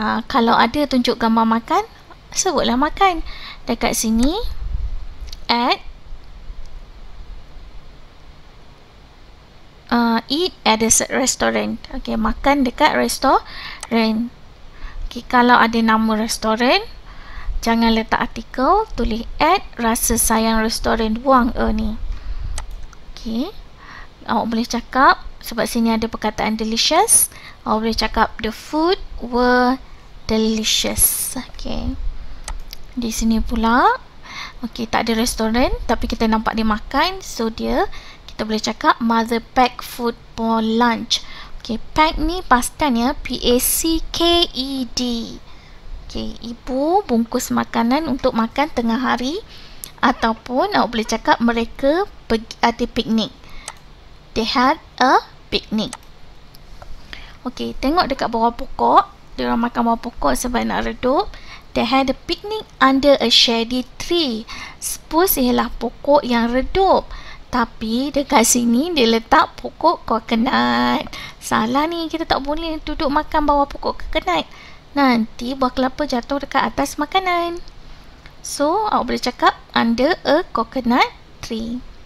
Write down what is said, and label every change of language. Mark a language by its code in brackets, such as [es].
[ms] Kalau ada tunjuk gambar makan, sebutlah makan. Dekat sini [en] at eat at a restaurant. [ms] Okay, makan dekat restaurant. Okay, kalau ada nama restoran, jangan letak artikel, tulis at rasa sayang restoran buang ni. Okay, awak boleh cakap sebab sini ada perkataan delicious. Awak boleh cakap [en] the food were delicious. [ms] Okay, di sini pula, okay, tak ada restoran tapi kita nampak dia makan. [en] So [ms] dia, kita boleh cakap [en] mother pack food for lunch. [ms] Okay, pack ni pastan ya, P-A-C-K-E-D. Okay, ibu bungkus makanan untuk makan tengah hari. Ataupun awak boleh cakap mereka pergi, ada piknik. [en] They had a picnic. Okay, [ms] tengok dekat bawah pokok. Diorang makan bawah pokok sebab nak redup. [en] They had a picnic under a shady tree. [ms] Spruce ialah pokok yang redup. Tapi dekat sini dia letak pokok coconut. Salah ni, kita tak boleh duduk makan bawah pokok coconut. Nanti buah kelapa jatuh dekat atas makanan. So, awak boleh cakap [en] under a coconut tree.